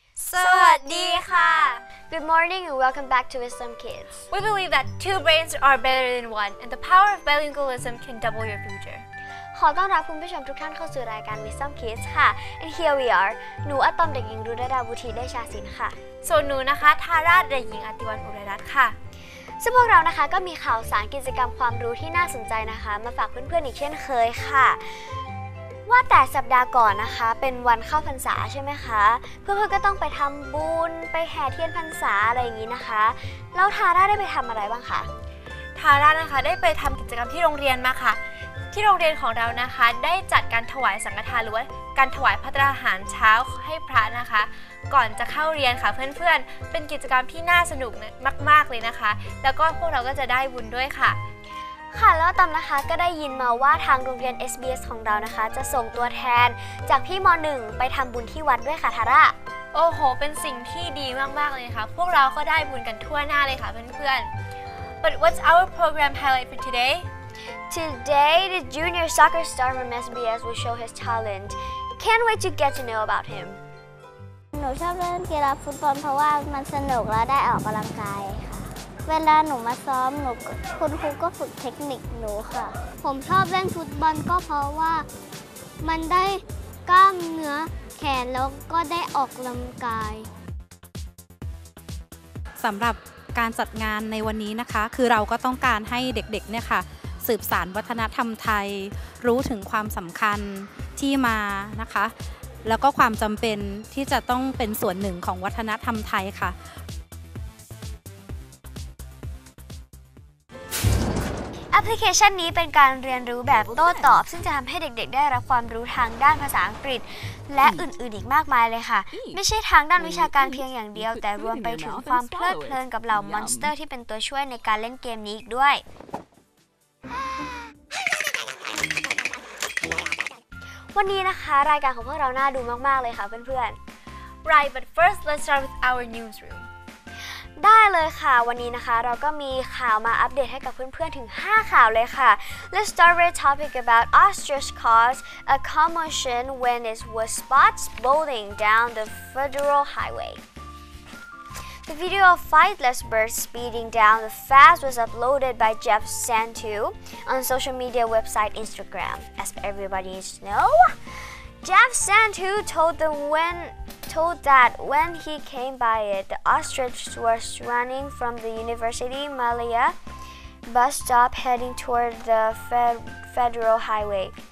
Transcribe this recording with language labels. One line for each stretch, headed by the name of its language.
English: Good morning and welcome back to Wisdom Kids. We believe that two brains are better than one and the power of bilingualism can double your future.
Thai: ขอต้อนรับคุณผู้ชมทุกท่านเข้าสู่รายการ Wisdom Kids ค่ะ
English: And here we are.
Thai: หนูอตอมเด็กหญิงรุตราดาวุฒิเดชาสินค่ะ ส่วนหนูนะคะทาราเด็กหญิงอติวันอุไรรัตน์ค่ะ ซึ่งพวกเรานะคะก็มีข่าวสารกิจกรรมความรู้ที่น่าสนใจนะคะมาฝากเพื่อนๆอีกเช่นเคยค่ะว่าแต่สัปดาห์ก่อนนะคะเป็นวันเข้าพรรษาใช่ไหมคะเพื่อนๆก็ต้องไปทำบุญไปแห่เทียนพรรษาอะไรอย่างนี้นะคะแล้วทาร่าได้ไปทำอะไรบ้างคะ ทาร่านะคะได้ไปทำกิจกรรมที่โรงเรียนมาค่ะที่โรงเรียนของเรานะคะได้จัดการถวายสังฆทานหรือว่าการถวายภัตตาหารเช้าให้พระนะคะก่อนจะเข้าเรียนค่ะเพื่อนๆ เป็นกิจกรรมที่น่าสนุกมากๆเลยนะคะแล้วก็พวกเราก็จะได้บุญด้วยค่ะ ค่ะแล้วตามนะคะก็ได้ยินมาว่าทางโรงเรียน SBS ของเรานะคะจะส่งตัวแทนจากพี่ม.1ไปทำบุญที่วัดด้วยค่ะทาร่า โอ้โหเป็นสิ่งที่ดีมากๆเลยนะคะพวกเราก็ได้บุญกันทั่วหน้าเลยค่ะเพื่อนๆ
English: But what's our program highlight for today? Today the junior soccer star from SBS will show his talent. Can't wait to get to know about him.
Thai: หนูชอบเล่นกีฬาฟุตบอลเพราะว่ามันสนุกและได้ออกกำลังกายเวลาหนูมาซ้อมหนูคุณครูก็ฝึกเทคนิคหนูค่ะ ผมชอบเล่นฟุตบอลก็เพราะว่ามันได้กล้ามเนื้อแขนแล้วก็ได้ออกกำลังกาย สำหรับการจัดงานในวันนี้นะคะคือเราก็ต้องการให้เด็กๆเนี่ยค่ะสืบสานวัฒนธรรมไทยรู้ถึงความสำคัญที่มานะคะแล้วก็ความจำเป็นที่จะต้องเป็นส่วนหนึ่งของวัฒนธรรมไทยค่ะ แอปพลิเคชันนี้เป็นการเรียนรู้แบบโต้ตอบซึ่งจะทำให้เด็กๆได้รับความรู้ทางด้านภาษาอังกฤษและอื่นๆอีกมากมายเลยค่ะไม่ใช่ทางด้านวิชาการเพียงอย่างเดียวแต่รวมไปถึงความเพลิดเพลินกับเหล่ามอนสเตอร์ที่เป็นตัวช่วยในการเล่นเกมนี้อีกด้วยวันนี้นะคะรายการของพวกเราน่าดูมากๆเลยค่ะเพื่อน
English: ๆ Right but first let's start with our newsroom
Thai: ได้เลยค่ะวันนี้นะคะเราก็มีข่าวมาอัปเดตให้กับเพื่อนๆถึง5ข่าวเลยค่ะ
English: Let's start with topic about Ostrich caused a commotion when it was spotted bowling down the federal highway. The video of flightless birds speeding down the fast was uploaded by Jeff Santu on social media website Instagram. As everybody needs to know, Jeff Santu told that when he came by it, the ostrich was running from the University Malaya bus stop heading toward the federal highway.